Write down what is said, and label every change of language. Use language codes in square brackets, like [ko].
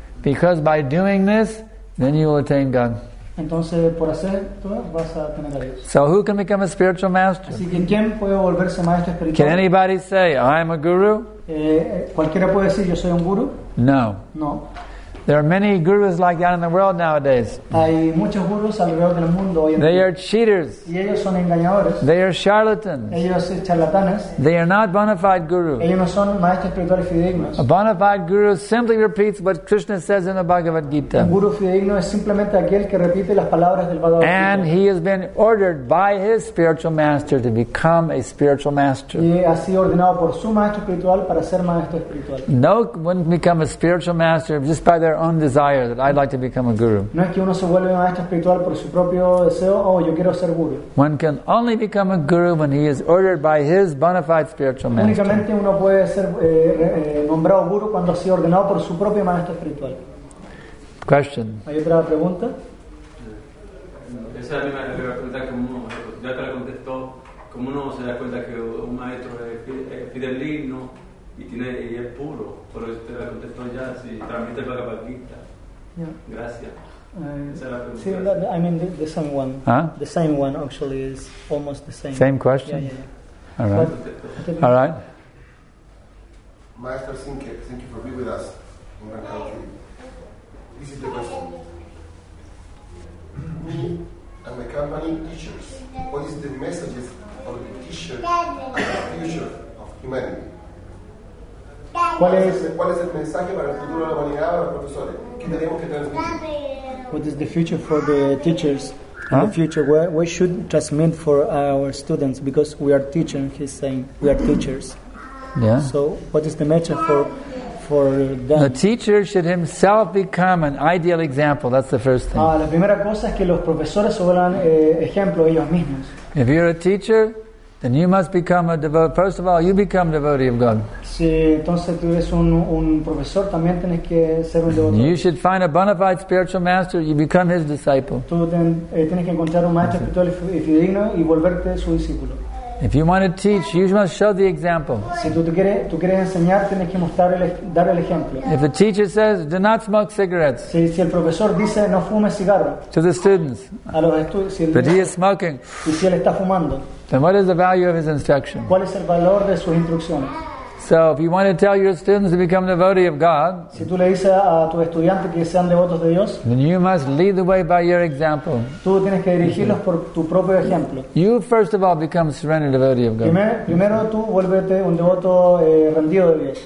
[en] Because by doing this, then you will attain God. [es] Entonces, por hacer, tú vas a tener a Dios. [en] So who can become a spiritual master? [es] Así que, ¿quién puede volverse maestro espiritual? [en] Can anybody say, I am a guru? [es] ¿Cualquiera puede decir, yo soy un guru? [en] No. [es] No. [en] There are many gurus like that in the world nowadays. [es] Hay muchos gurus alrededor del mundo hoy en [en] they [es] día. [en] Are cheaters. [es] Y ellos son engañadores. [en] They are charlatans. [es] Ellos son charlatanes. [en] They are not bona fide gurus. [es] Ellos no son maestros espirituales fidedignos. [en] A bona fide guru simply repeats what Krishna says in the Bhagavad Gita. [es] Un guru fidedigno es simplemente aquel que repite las palabras del Bhagavad Gita. [en] And he has been ordered by his spiritual master to become a spiritual master. [es] Y ha sido ordenado por su maestro espiritual para ser maestro espiritual. [en] No one can become a spiritual master just by their own desire that I'd like to become a guru. [es] No es que uno se vuelva maestro espiritual por su propio deseo, oh, yo quiero ser guru. [en] One can only become a guru when he is ordered by his bona fide spiritual master. [es] Únicamente uno puede ser nombrado guru cuando ha sido ordenado por su propio maestro espiritual. [en] Question. [es] ¿Hay otra pregunta? Esa misma pregunta, como ya te la contestó, ¿cómo uno se da cuenta que un maestro es fidedigno? [en] The same one actually is almost the same question. Yeah, yeah. All right. But, all right. Master Sinke, thank you for being with us in our country. This is the question. Me and my company, teachers, what is the message of the teacher and the future of humanity? What is the future for the teachers? In the future, what should transmit for our students? Because we are teachers, he's saying, we are teachers. Yeah. So what is the message for them? The teacher should himself become an ideal example. That's the first thing. [es] La primera cosa es que los profesores sean ejemplo ellos mismos. [en] If you're a teacher, and you must become a devotee. First of all, you become a devotee of God. [es] Sí, entonces tú eres un profesor, también tienes que ser un devoto. [en] You should find a bona fide spiritual master, you become his disciple. [es] Tú tienes que encontrar un maestro espiritual y fidedigno y volverte su discípulo. [en] If you want to teach, you must show the example. [es] Si tú quieres enseñar, tienes que dar el ejemplo. [en] If a teacher says, do not smoke cigarettes, [es] si el profesor dice, no fume cigarro, [en] to the students, [es] a los estudiantes, [en] but he is smoking, [es] y si él está fumando, [en] then what is the value of his instruction? [es] ¿Cuál es el valor de sus instrucciones? [en] So if you want to tell your students to become devotees of God, [es] si tú le dices a tu estudiante que sean devotos de Dios, [en] then you must lead the way by your example. [es] Tú tienes que dirigirlos por tu propio ejemplo. [en] You first of all become a surrendered devotee of God. [es] Primero tú vuélvete un devoto rendido de Dios.